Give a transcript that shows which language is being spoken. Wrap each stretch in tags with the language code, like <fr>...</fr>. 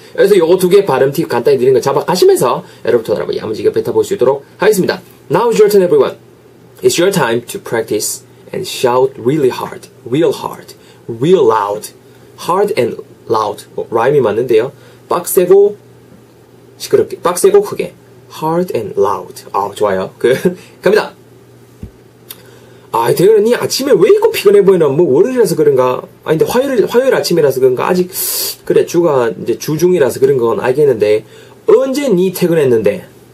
<ko>그래서 요거 두 개 발음 팁 간단히 드리는 걸 잡아가시면서 여러분들 한번 야무지게 뱉어볼 수 있도록 하겠습니다.</ko> <en>Now it's your turn, everyone. It's your time to practice and shout really hard, real hard, real loud, hard and loud.</en> <ko>라임이 맞는데요. 빡세고 시끄럽게, 빡세고 크게.</ko> <en>Hard and loud.</en> <ko>아, 좋아요. 그, 갑니다. 아, 대현아, 니 아침에 왜 이렇게 피곤해 보이나? 뭐, 월요일이라서 그런가? 아, 근데 화요일 아침이라서 그런가? 아직, 그래, 주가, 이제 주중이라서 그런 건 알겠는데, 언제 니 퇴근했는데?</ko>